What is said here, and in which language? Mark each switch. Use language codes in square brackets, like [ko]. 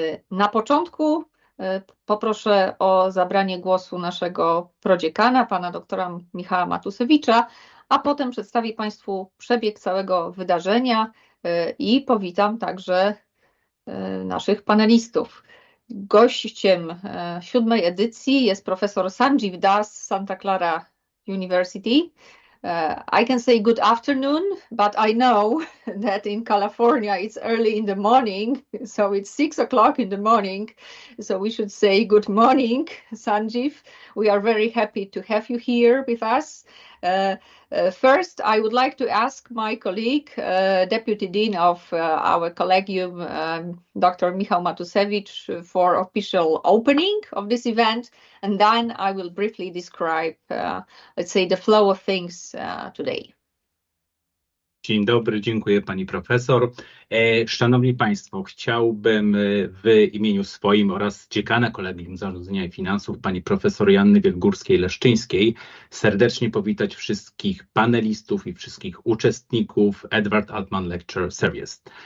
[pl] Na początku poproszę o zabranie głosu naszego prodziekana, pana doktora Michała Matusewicza, a potem przedstawię Państwu przebieg całego wydarzenia i powitam także naszych panelistów. Gościem siódmej edycji jest profesor Sanjeev Das, Santa Clara University. [en] I can say good afternoon, but I know that in California it's early in the morning, so it's 6 o'clock in the morning, so we should say good morning, Sanjeev. We are very happy to have you here with us. First, I would like to ask my colleague, Deputy Dean of our Collegium, Dr. Michał Matusewicz, for official opening of this event, and then I will briefly describe, let's say, the flow of things today. [pl] Dzień dobry, dziękuję pani profesor. Szanowni państwo, chciałbym w imieniu swoim oraz dziekana Kolegium Zarządzania i Finansów, pani profesor Janny Wielgórskiej-Leszczyńskiej, serdecznie powitać wszystkich panelistów i wszystkich uczestników Edward Altman Lecture Series.